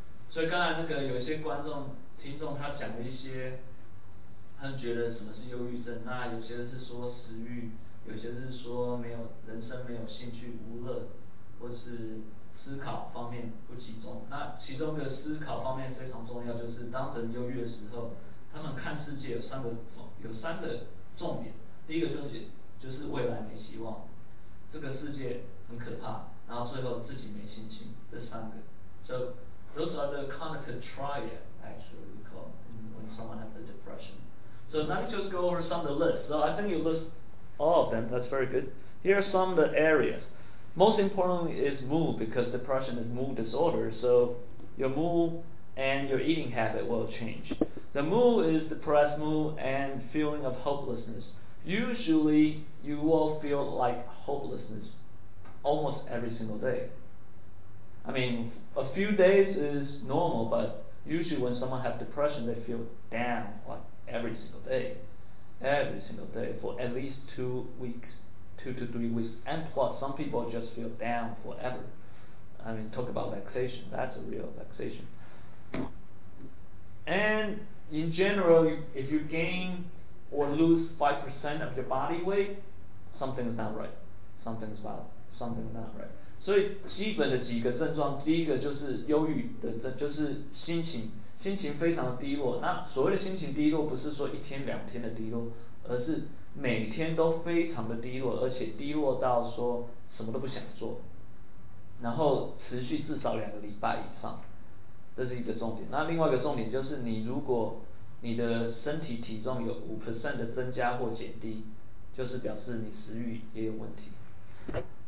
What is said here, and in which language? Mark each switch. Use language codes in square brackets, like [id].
[zh] 所以刚才那个有些观众听众他讲了一些，他觉得什么是忧郁症，那有些是说食欲，有些是说没有人生没有兴趣无乐，或是思考方面不集中。那其中的思考方面非常重要，就是当人忧郁的时候，他们看世界有三个重点。第一个就是未来没希望，这个世界很可怕，然后最后自己没信心，这三个。 [en] So those are the cognitive triad actually we call when someone has the depression. So let me just go over some of the list. So I think you list all of them, that's very good. Here are some of the areas. Most importantly is mood, because depression is mood disorder, so your mood and your eating habit will change. The mood is depressed mood and feeling of hopelessness. Usually, you will feel like hopelessness almost every single day. I mean, a few days is normal, but usually when someone has depression, they feel down like every single day. Every single day for at least 2 weeks. 2 to 3 weeks, and plus some people just feel down forever. I mean, talk about vexation, that's a real vexation. And in general, if you gain or lose 5% of your body weight, something's not right. Something's not right. [zh] 所以基本的几个症状，第一个就是忧郁的症，就是心情非常的低落。那所谓的心情低落，不是说一天两天的低落，而是每天都非常的低落，而且低落到说什么都不想做，然后持续至少两个礼拜以上，这是一个重点。那另外一个重点就是，你如果你的身体体重有 5% 的增加或减低，就是表示你食欲也有问题。